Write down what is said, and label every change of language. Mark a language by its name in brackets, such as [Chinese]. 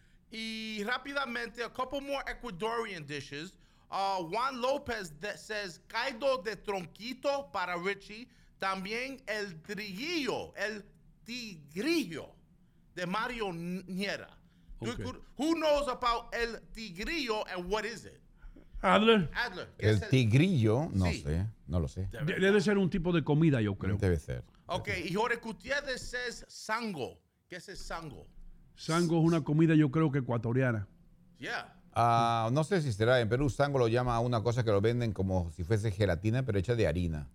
[Spanish] Y rápidamente, [English] a couple more Ecuadorian dishes. Juan López says caldo de tronquito para Richie, [Spanish] también [English] el tigrillo de Mario Niera. Okay. Who knows about el tigrillo and what is it? Adler. [Spanish] El tigrillo, no sí. Sé, no lo sé. Debe ser un tipo de comida, yo creo. Debe ser. [English] Okay, [Spanish] debe ser. Y Jorge Gutiérrez [English] says [Spanish] sango. ¿Qué es el sango? Sango es una comida, yo creo que ecuatoriana. [English] Yeah. [Spanish] No sé si será en Perú, sango lo llama una cosa que lo venden como si fuese gelatina, pero hecha de harina.